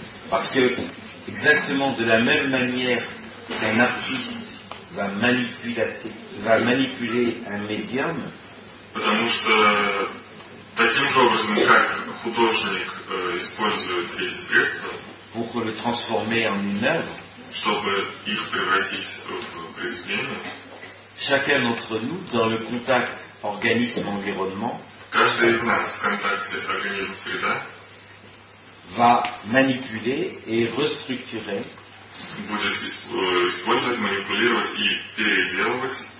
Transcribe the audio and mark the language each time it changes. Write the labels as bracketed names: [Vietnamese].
[French] Parce que exactement de la même manière qu'un artiste va manipuler un médium. [Russian] Потому что таким же образом, как художник использует эти средства, [French] pour le transformer en une œuvre, [Russian] чтобы их превратить в произведение, [French] chacun d'entre nous, dans le contact organisme-environnement, [Russian] каждый из нас в контакте организм-среда, [French] va manipuler et restructurer. [Russian] Будет использовать, манипулировать и переделывать